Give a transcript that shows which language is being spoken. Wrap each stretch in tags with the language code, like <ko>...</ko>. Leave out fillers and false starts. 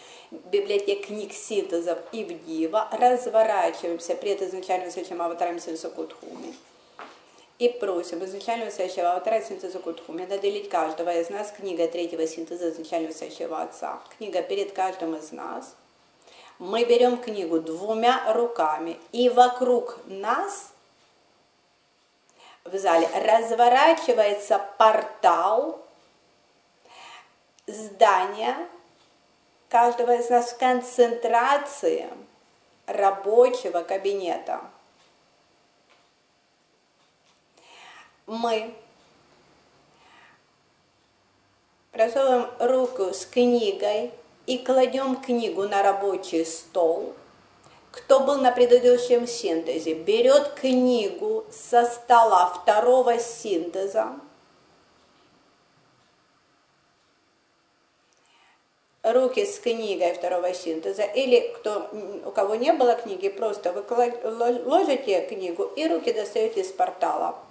<ru>библиотек книг синтезов и в дива, разворачиваемся пред изначальным стоящим аватаром синтеза кутхуми и просим изначального стоящего аватара синтеза кутхуми наделить каждого из нас книгой третьего синтеза изначального стоящего отца. Книга перед каждым из нас.</ru> <uk>Ми беремо книгу двома руками і</uk> <ru>вокруг</ru> <uk>нас в залі розворачується портал здання кожного з нас в концентрації робочого кабінету. Ми просовуємо руку з книгою і кладемо книгу на робочий стіл. Хто був на предыдущем синтезі, бере книгу зі стола другого синтезу,</uk> <ru>руки з книгою второго синтеза, или кто, у кого не было книги, просто вы ложите книгу и руки достаете из портала.</ru>